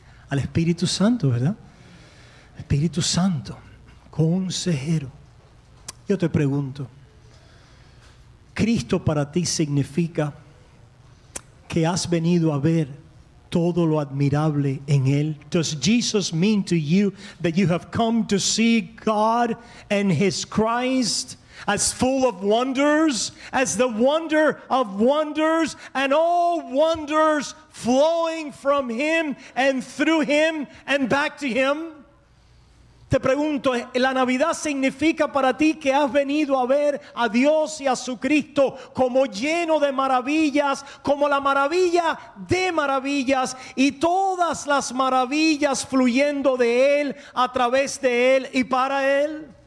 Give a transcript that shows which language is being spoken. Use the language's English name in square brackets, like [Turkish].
[Spanish] Al Espíritu Santo, ¿verdad? Espíritu Santo, consejero. Yo te pregunto, ¿Cristo para ti significa que has venido a ver todo lo admirable en Él? [English] Does Jesus mean to you that you have come to see God and His Christ as full of wonders, as the wonder of wonders, and all wonders flowing from Him and through Him and back to Him? [Spanish] Te pregunto, ¿la Navidad significa para ti que has venido a ver a Dios y a su Cristo como lleno de maravillas, como la maravilla de maravillas y todas las maravillas fluyendo de Él, a través de Él y para Él?